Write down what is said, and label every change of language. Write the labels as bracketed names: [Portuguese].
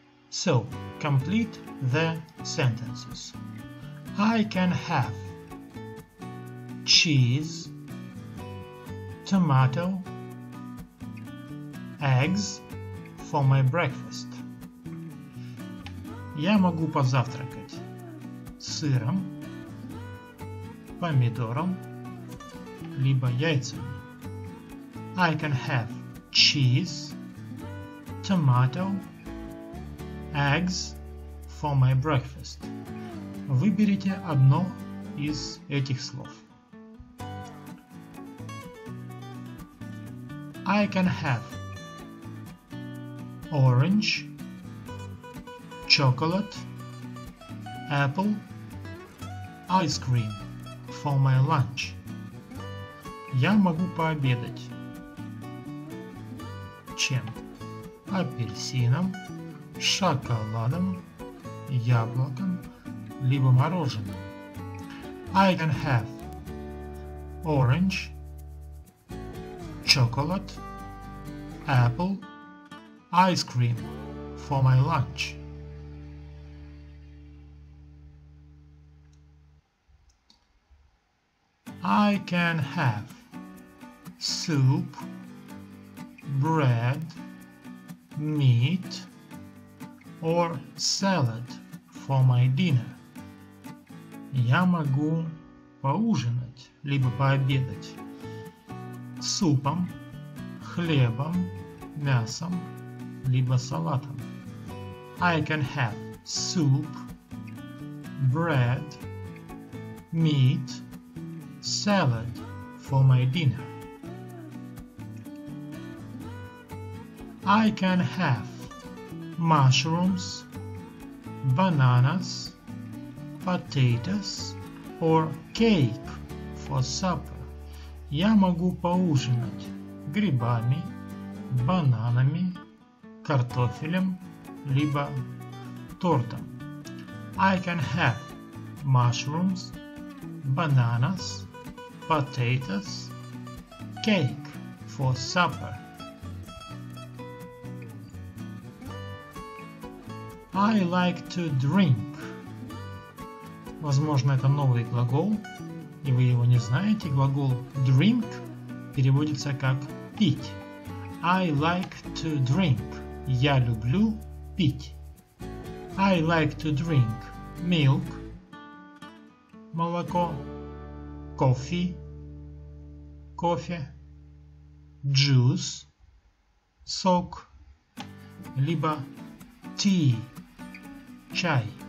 [English] So, complete the sentences. I can have cheese, tomato, eggs for my breakfast. [Russian] Я могу позавтракать сыром, помидором, либо яйцами. [English] I can have cheese, tomato, eggs for my breakfast. [Russian] Выберите одно из этих слов. [English] I can have orange, chocolate, apple, ice cream for my lunch. [Russian] Я могу пообедать. Чем? Апельсином, шоколадом, яблоком, либо мороженым. [English] I can have orange, chocolate, apple, ice cream for my lunch. I can have soup, bread, meat, or salad for my dinner. [Russian] я могу поужинать, либо пообедать супом, хлебом, мясом, либо салатом. [English] I can have soup, bread, meat, salad for my dinner. I can have mushrooms, bananas, potatoes, or cake for supper. [Russian] Я могу поужинать грибами, бананами, картофелем, либо тортом. [English] I can have mushrooms, bananas, potatoes, cake for supper. I like to drink. [Russian] Возможно, это новый глагол, и вы его не знаете. Глагол drink переводится как пить. [English] I like to drink. [Russian] Я люблю пить. [English] I like to drink milk, [Russian] молоко, [English] coffee, [Russian] кофе, [English] juice, [Russian] сок, либо [English] tea, [Russian] чай.